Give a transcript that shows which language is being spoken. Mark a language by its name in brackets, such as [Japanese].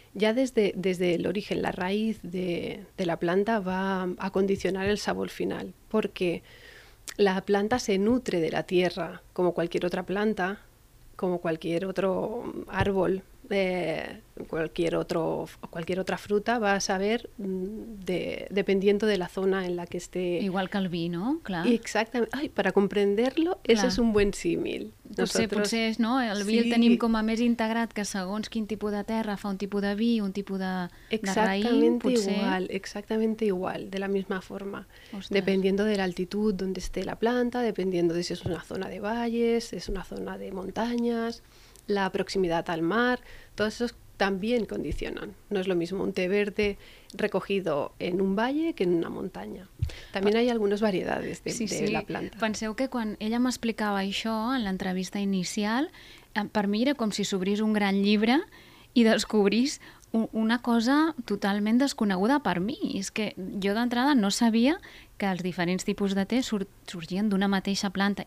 [Spanish] Ya desde el origen, la raíz de la planta va a condicionar el sabor final, porque la planta se nutre de la tierra como cualquier otra planta, como cualquier otro árbol. Cualquier otra fruta va a saber dependiendo de la zona en la que esté. Igual que el vino, claro. Exactamente. Ay, para comprenderlo, clar, ese es un buen símil. [Catalan] Potser és, no? El vi, sí, el tenim com a més integrat, que segons quin tipus de terra fa un tipus de vi, un tipus de raïm. [Spanish] Exactamente igual, exactamente igual, de la misma forma. Ostres. Dependiendo de la altitud donde esté la planta, dependiendo de si es una zona de valles, si es una zona de montañas, la proximidad al mar, todos esos también condicionan. No es lo mismo un té verde recogido en un valle que en una montaña. También hay algunas variedades de la planta. [Catalan] Penseu que quan ella m'explicava això en l'entrevista inicial, per mi era com si s'obrís un gran llibre i descobrís una cosa totalment desconeguda per mi. És que jo d'entrada no sabia que els diferents tipus de té sorgien d'una mateixa planta.